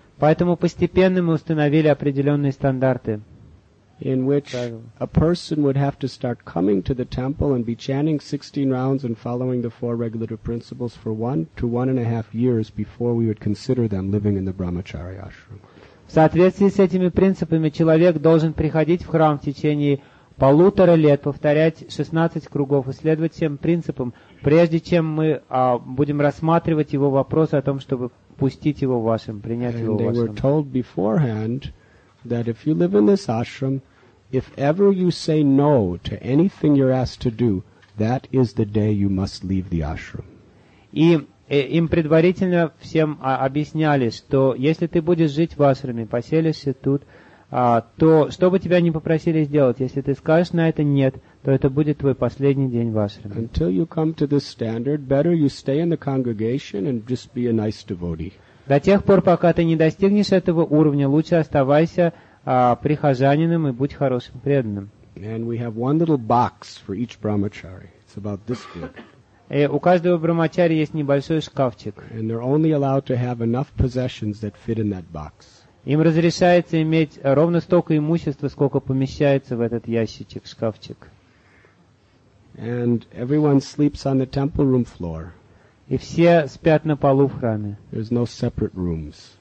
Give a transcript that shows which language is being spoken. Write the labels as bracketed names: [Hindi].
[Russian] Поэтому постепенно мы установили определенные стандарты, [English] in which a person would have to start coming to the temple and be chanting 16 rounds and following the four regulative principles for 1 to 1.5 years before we would consider them living in the brahmachari ashram. [Russian] В соответствии с этими принципами человек должен приходить в храм в течение полутора лет, повторять 16 кругов и следовать всем принципам, прежде чем мы будем рассматривать его вопрос о том, чтобы пустить его в вашем, принять его в вашем. [English] And they were told beforehand that if you live in this ashram, if ever you say no to anything you're asked to do, that is the day you must leave the ashram. [Russian] И им предварительно всем объясняли, что если ты будешь жить в ашраме, поселишься тут, то что бы тебя ни попросили сделать, если ты скажешь на это «нет», то это будет твой последний день в ашраме. [English] Until you come to this standard, better you stay in the congregation and just be a nice devotee. [Russian] До тех пор, пока ты не достигнешь этого уровня, лучше оставайся прихожанином и будь хорошим преданным. [English] And we have one little box for each brahmachari. It's about this big. [Russian] И у каждого брахмачари есть небольшой шкафчик. [English] And they're only allowed to have enough possessions that fit in that box. [Russian] Им разрешается иметь ровно столько имущества, сколько помещается в этот ящичек, шкафчик. [English] And everyone sleeps on the temple room floor. [Russian] И все спят на полу в храме. [English] There's no separate rooms.